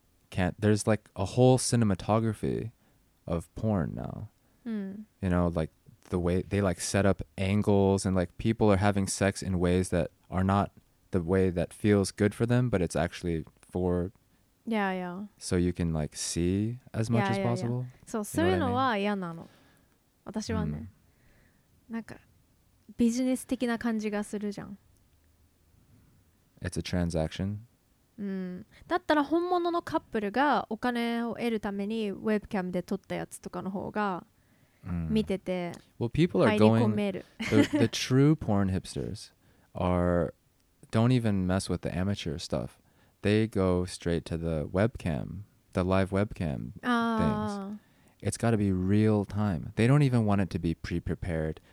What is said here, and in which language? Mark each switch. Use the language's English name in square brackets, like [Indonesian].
[English] Can't. There's like a whole cinematography. Of porn now.、 Mm. You know, like the way they like set up angles and like people are having sex in ways that are not the way that feels good for them, but it's actually for. Yeah, yeah. So you can like see as much as possible. [Japanese] So, そういうのは嫌なの。私はね。なんかビジネス的な感じがするじゃん。 [English] It's a transaction. [Japanese] うん、だったら本物のカップルがお金を得るためにウェブキャムで撮ったやつとかの方が、見てて、 [English] Well, people are going, the true porn hipsters are, don't even mess with the amateur stuff. They go straight to the webcam, the live webcam things. It's got to be real time. They don't even want it to be pre-prepared.